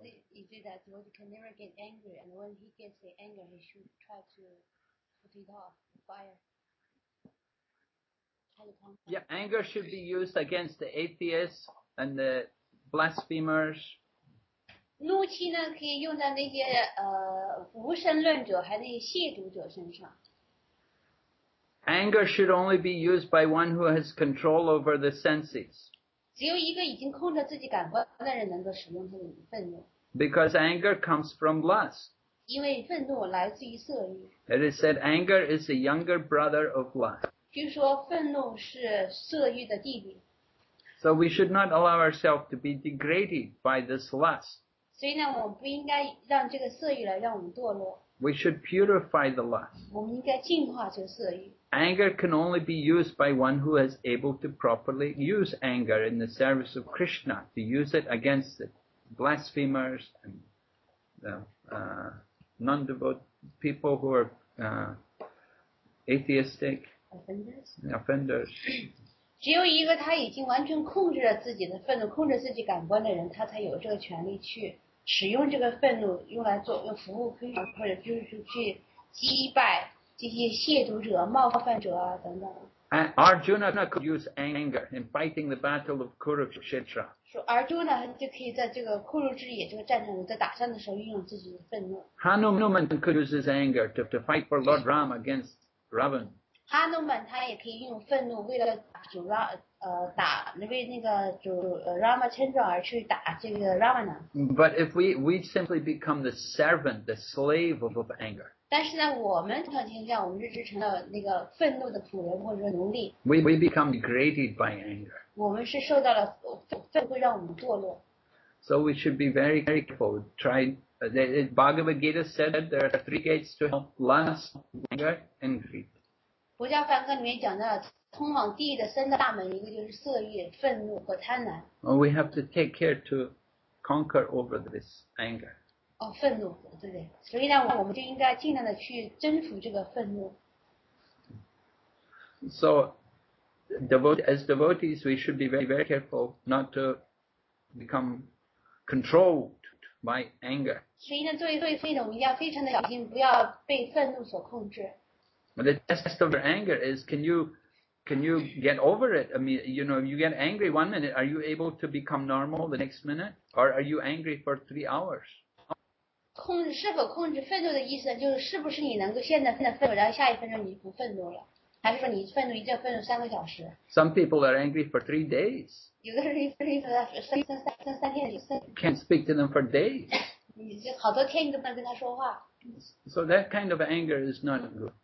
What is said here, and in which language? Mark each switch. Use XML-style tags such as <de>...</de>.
<en>He said that Lord can never get angry, and when he gets the anger, he should try to put it off, fire. Yeah, anger should be used against the atheists and the blasphemers.</en> <zh>怒气呢，可以用在那些无神论者，还有那些亵渎者身上。</zh> <en>Anger should only be used by one who has control over the senses.</en> <zh>只有一个已经控制自己感官的人能够使用他的愤怒。</zh> <en>Because anger comes from lust.</en> <zh>因为愤怒来自于色欲。</zh> <en>It is said anger is the younger brother of lust.</en> <zh>据说愤怒是色欲的弟弟。</zh> <en>So we should not allow ourselves to be degraded by this lust.</en> <zh>所以呢，我们不应该让这个色欲来让我们堕落。</zh> <en>We should purify the lust.</en> <zh>我们应该净化这个色欲。</zh> <en>Anger can only be used by one who is able to properly use anger in the service of Krishna, to use it against it. Blasphemers and non-devote people who are atheistic offenders.</en> <zh>只有一个他已经完全控制了自己的愤怒，控制自己感官的人，他才有这个权利去使用这个愤怒，用来做用服务非常，或者就是去击败这些亵渎者、冒犯者啊等等。</zh> <en>And Arjuna could use anger in fighting the battle of Kurukshetra.</en> <zh>So Arjuna 就可以在这个库鲁之野这个战场在打仗的时候运用自己的愤怒。</zh> <en>Hanuman could use his anger to fight for Lord Ram against Ravan.</en> <zh>Hanuman 他也可以运用愤怒为了主拉打为那个主 Ramachandra 而去打这个 Ravana.</zh> <en>But if we simply become the servant, the slave of anger.</en> <zh>但是呢，我们条件下，我们就是成了那个愤怒的仆人或者奴隶。</zh> <en>We become degraded by anger.</en> <zh>我们是受到了愤怒会让我们堕落。</zh> <en>So we should be very careful. Try. Bhagavad Gita said that there are three gates to hell: lust, anger, and greed.</en> <zh>佛教梵歌里面讲到，通往地狱的三大门，一个就是色欲、愤怒和贪婪。</zh> <en>Well, we have to take care to conquer over this anger.</en> <zh>哦，愤怒，对不对？所以呢，我们就应该尽量的去征服这个愤怒。</zh> <en>So, as devotees, we should be very, very careful not to become controlled by anger.</en> <zh>所以呢，作为弟子，我们要非常的小心，不要被愤怒所控制。</zh> <en>But the test of your anger is, can you get over it? I mean, you know, you get angry 1 minute, are you able to become normal the next minute, or are you angry for 3 hours?</en> <zh>控制是否控制愤怒的意思就是是不是你能够现在变得愤怒，然后下一分钟你不愤怒了，还是说你愤怒一直愤怒3个小时</zh> <en>？Some people are angry for 3 days.</en> <zh>有的人愤怒了三天的意思。</zh> <en>Can't speak to them for days.</en> <zh>你就好多天你都不能跟他说话。</zh> <en>So that kind of anger is not good.</en>